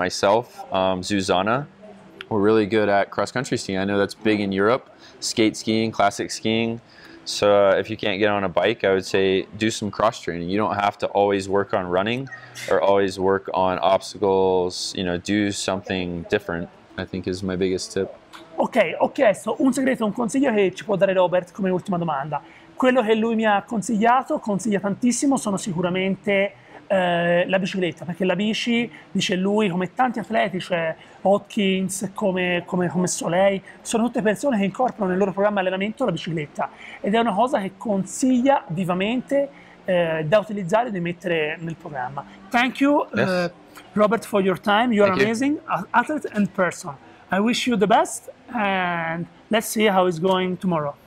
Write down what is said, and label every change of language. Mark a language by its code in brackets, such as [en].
[en] Myself, Zuzana, we're really good at cross country skiing. I know that's big in Europe, skate skiing, classic skiing. So if you can't get on a bike, I would say do some cross training. You don't have to always work on running or always work on obstacles. You know, do something different, I think is my biggest tip. [it] Ok, ho chiesto un segreto, un consiglio che ci può dare Robert come ultima domanda. Quello che lui mi ha consigliato, consiglia tantissimo, sono sicuramente la bicicletta, perché la bici, dice lui, come tanti atleti, cioè Hopkins, come Soleil, sono tutte persone che incorporano nel loro programma allenamento la bicicletta, ed è una cosa che consiglia vivamente da utilizzare e di mettere nel programma. [en] Thank you, Robert, for your time. You are amazing athlete and person. I wish you the best, and let's see how it's going tomorrow.